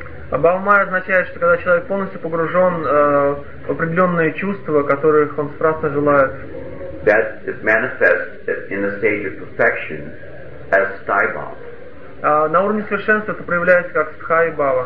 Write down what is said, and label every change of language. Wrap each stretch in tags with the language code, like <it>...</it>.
<ru>Бхавамая означает, что когда человек полностью погружен в определенные чувства, которых он страстно желает.</ru> <en>That is manifest in the stage of perfection as Sthaibhava.</en> <ru>На уровне совершенства это проявляется как стхай бава.</ru>